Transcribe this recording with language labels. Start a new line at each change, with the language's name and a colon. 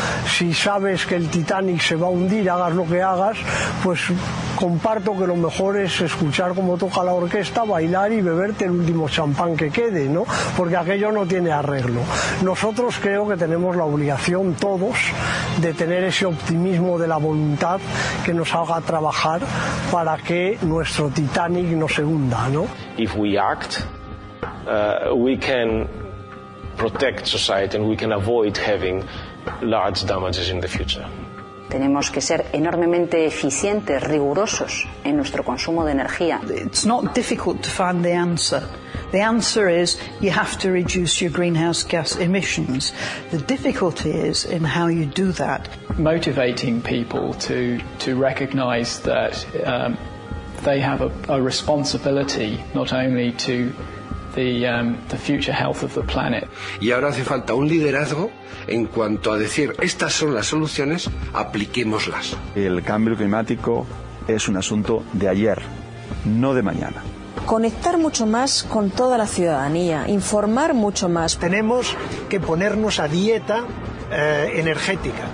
Spanish: Si sabes que el Titanic se va a hundir, hagas lo que hagas, pues comparto que lo mejor es escuchar cómo toca la orquesta, bailar y beberte el último champán que quede, ¿no? Porque aquello no tiene arreglo. Nosotros creo que tenemos la obligación todos de tener ese optimismo de la voluntad que nos haga trabajar para que nuestro Titanic no se hunda, ¿no?
English: If we act, we can protect society and we can avoid having large damages in the future.
Spanish: Tenemos que ser enormemente eficientes, rigurosos en nuestro consumo de energía.
English: It's not difficult to find the answer. The answer is you have to reduce your greenhouse gas emissions. The difficulty is in how you do that. Motivating people to recognize that they have a responsibility not only to the future health of the planet.
Spanish: Y ahora hace falta un liderazgo en cuanto a decir, estas son las soluciones, apliquémoslas. El cambio climático es un asunto de ayer, no de mañana. Conectar mucho más con toda la ciudadanía, informar mucho más. Tenemos que ponernos a dieta energética.